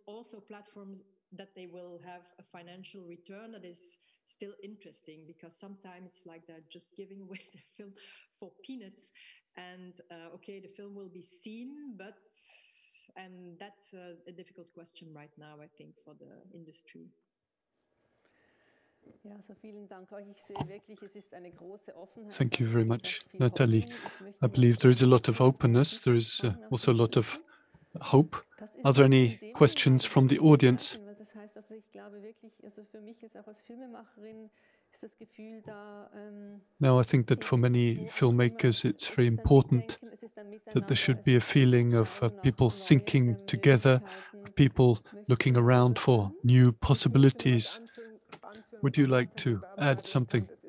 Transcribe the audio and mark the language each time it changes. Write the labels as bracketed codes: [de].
[en] Also platforms that they will have a financial return that is still interesting, because sometimes it's like they're just giving away the film for peanuts. And okay, the film will be seen, but, and that's a difficult question right now, I think, for the industry. [de] Ja, so vielen Dank euch. Ich sehe wirklich, es ist eine große Offenheit. [en] Thank you very much, Nathalie. I believe there is a lot of openness. There is also a lot of hope. Are there any questions from the audience? [de] Das heißt, also ich glaube wirklich, also für mich jetzt auch als Filmemacherin ist das Gefühl da. [en] Now I think that for many filmmakers it's very important that there should be a feeling of people thinking together, of people looking around for new possibilities. Would you like to add something?